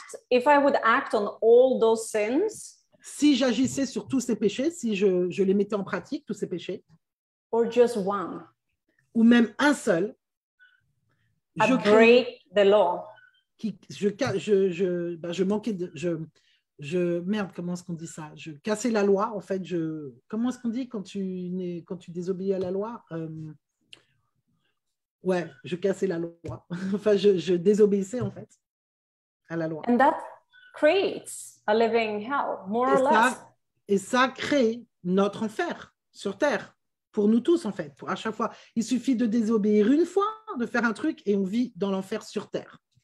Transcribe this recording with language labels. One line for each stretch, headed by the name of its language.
English: If I would act on all those sins.
French: Si j'agissais sur tous ces péchés, si je les mettais en pratique tous ces péchés.
English: Or just one.
French: Ou même un seul. Je cassais la loi, en fait. Comment est-ce qu'on dit quand tu désobéis à la loi? Ouais, je cassais la loi. Enfin, je désobéissais, en fait, à la loi.
English: And that creates a living hell, more or less.
French: Et ça crée notre enfer sur Terre, pour nous tous, en fait. À chaque fois, il suffit de désobéir une fois, de faire un truc, et on vit dans l'enfer sur Terre.